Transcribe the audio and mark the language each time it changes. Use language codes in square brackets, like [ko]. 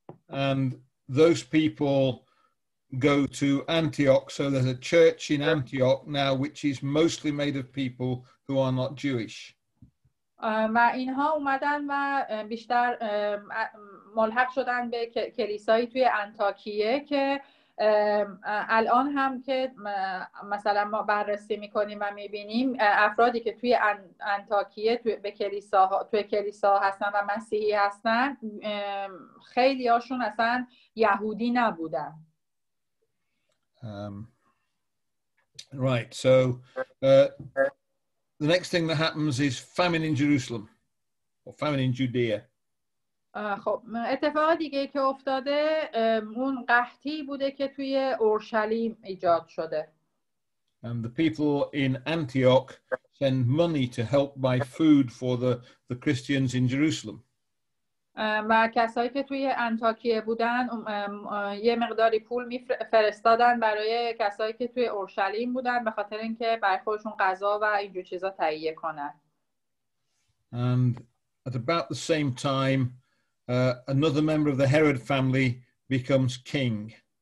[en] And those people go to Antioch, so there's a church in Antioch now which is mostly made of people who are not Jewish. [fa] و اینها اومدن و بیشتر ملحق شدن به کلیسایی توی انتاکیه که الان هم که مثلا ما بررسی میکنیم و میبینیم افرادی که توی انتاکیه توی کلیسا هستن و مسیحی هستن خیلی هاشون اصلا یهودی نبودن. [en] Right, so the next thing that happens is famine in Jerusalem, or famine in Judea. [fa] خب اتفاق دیگه که افتاده اون قحطی بوده که توی اورشلیم ایجاد شده. [en] And the people in Antioch send money to help buy food for the Christians in Jerusalem. [fa] و کسایی که توی انتاکیه بودن یه مقداری پول فرستادن برای کسایی که توی اورشلیم بودن به خاطر اینکه برای خودشون غذا و اینجور چیزا تهیه کنن. [en] And at about the same time another member of the Herod family becomes king.